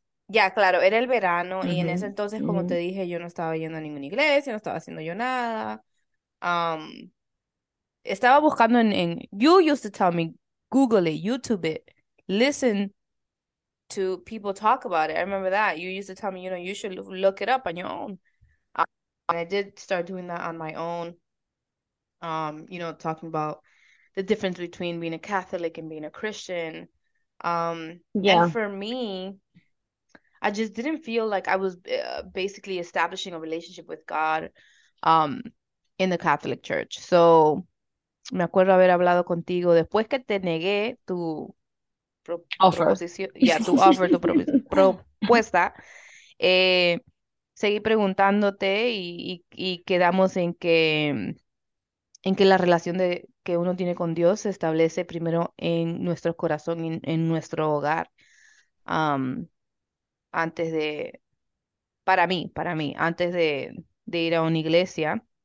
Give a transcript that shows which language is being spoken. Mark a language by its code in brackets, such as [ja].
[es] ya, claro, era el verano, y en ese entonces, como te dije, yo no estaba yendo a ninguna iglesia, no estaba haciendo yo nada. Estaba buscando [en] you used to tell me, Google it, YouTube it, listen to people talk about it. I remember that. You used to tell me, you should look it up on your own. And I did start doing that on my own, talking about the difference between being a Catholic and being a Christian. And for me, I just didn't feel like I was basically establishing a relationship with God, in the Catholic Church. [es] So me acuerdo haber hablado contigo después que te negué tu pro [en] Offer. [es] proposición, ya, [en] yeah, [es] tu [en] offer, [es] tu pro propuesta. Seguí preguntándote y quedamos en que la relación que uno tiene con Dios se establece primero en nuestro corazón, en nuestro hogar, antes de, para mí, antes de ir a una iglesia.